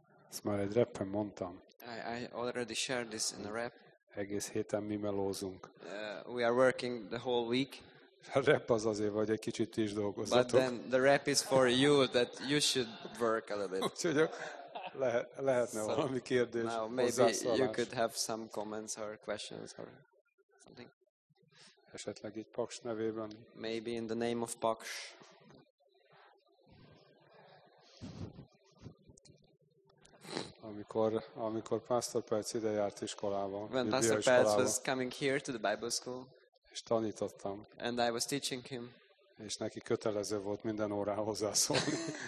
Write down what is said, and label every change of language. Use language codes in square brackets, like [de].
[hu] Ezt már egy rappen mondtam. [en] I already shared this in a rap. [hu] Egész héten mi melózunk. [en] We are working the whole week. [hu] A rap az azért, hogy egy kicsit is dolgozzatok. [en] But then the rap is for you, that you should work a little bit. [hu] Úgyhogy lehetne valami kérdés, hozzászólás. [en] Maybe you could have some comments or questions or something. [hu] Esetleg így Paks nevében. [en] Maybe in the name of Paks. [hu] Amikor Pastor Perc ide járt iskolába, [en] when Pastor Perc was coming here to the Bible school, [hu] és tanítottam, [en] and I was teaching him, [hu] És neki kötelező volt minden órához hozzászólni.